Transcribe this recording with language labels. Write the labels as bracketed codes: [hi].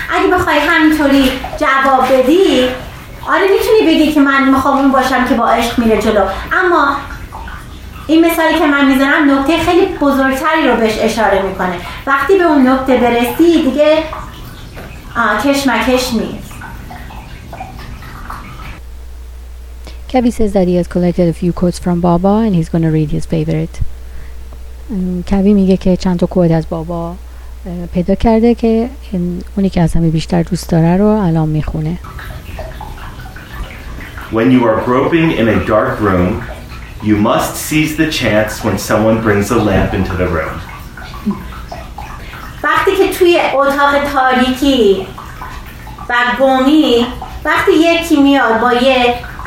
[fa] اگه بخوای همینطوری جواب بدی، آره میتونی بگی که من میخوام اون باشم که با عشق میره جلو، اما این مثالی که من میذارم نکته خیلی بزرگتری رو بهش اشاره میکنه. وقتی به اون نکته برسی دیگه کشمکش نیست. [en] Kevi says that he has collected a few quotes from Baba and he's going to read his favorite. [fa] Kevi میگه که چند تا کوت از بابا پیدا کرده که این اونی که از همه بیشتر دوست داره رو الان میخونه. [en] When you are groping in a dark room, you must seize the chance when someone brings a lamp into the room. [fa] وقتی که توی اتاق تاریکی و گمی، وقتی یکی میاد با یه